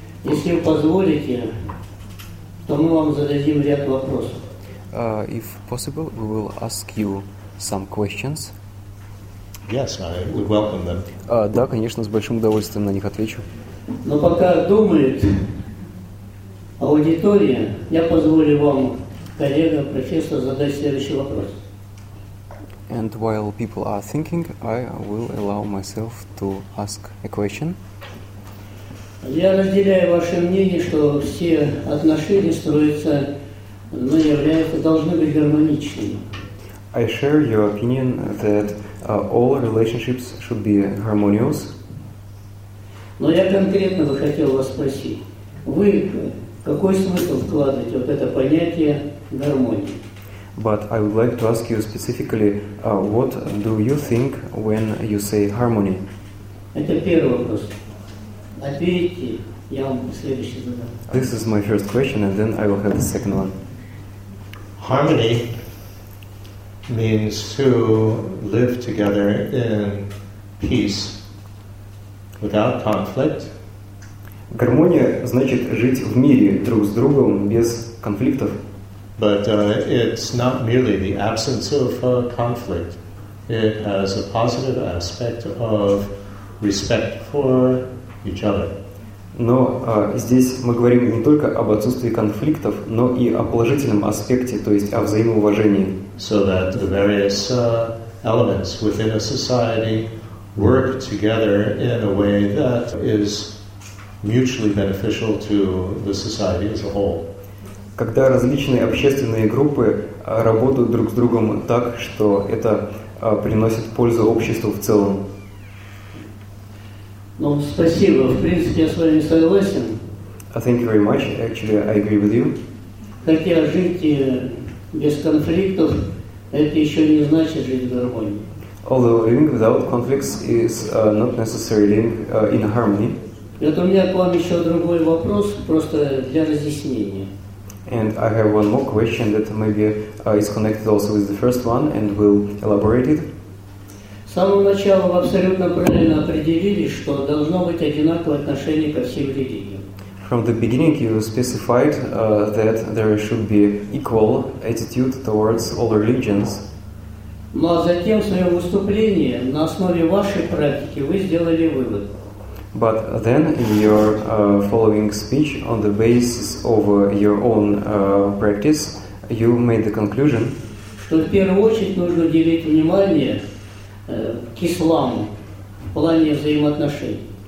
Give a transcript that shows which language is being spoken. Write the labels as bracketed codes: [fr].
[ru] Если вы позволите, то мы вам зададим ряд вопросов. [en] If possible, we will ask you some questions. Yes, I would welcome them. [ru] Да, конечно, с большим удовольствием на них отвечу. Но пока думает аудитория, я позволю вам, коллега, профессор, задать следующий вопрос. [en] And while people are thinking, I will allow myself to ask a question. [ru] Я разделяю ваше мнение, что все отношения строятся, но являются, должны быть гармоничными. [en] I share your opinion that all relationships should be harmonious. [ru] Но я конкретно бы хотел вас спросить, вы какой смысл вкладываете вот это понятие гармонии? [en] But I would like to ask you specifically, what do you think when you say harmony? [ru] Это первый вопрос. Ответьте, я вам следующий задам. [en] This is my first question, and then I will have the second one. Harmony means to live together in peace, without conflict. [ru] Гармония значит жить в мире друг с другом без конфликтов. [en] But it's not merely the absence of conflict. It has a positive aspect of respect for each other. [ru] Но здесь мы говорим не только об отсутствии конфликтов, но и о положительном аспекте, то есть о взаимоуважении. [en] So that the various elements within a society work together in a way that is mutually beneficial to the society as a whole. [ru] Когда различные общественные группы работают друг с другом так, что это приносит пользу обществу в целом. Ну, спасибо. В принципе, я с вами согласен. [en] Thank you very much. Actually, I agree with you. [ru] Хотя жить без конфликтов, это еще не значит жить в гармонии. [en] Although living without conflicts is not necessarily in harmony. [ru] Это у меня к вам еще другой вопрос, просто для разъяснения. [en] And I have one more question that maybe is connected also with the first one, and we'll elaborate it. [ru] С самого начала вы абсолютно правильно определили, что должно быть одинаковое отношение ко всем религиям. [en] From the beginning, you specified that there should be equal attitude towards all religions. [ru] Ну а затем в своем выступлении на основе вашей практики вы сделали вывод. [en] But then, in your following speech, on the basis of your own practice, you made the conclusion [ru] что в первую очередь нужно уделить внимание к исламу в плане взаимоотношений.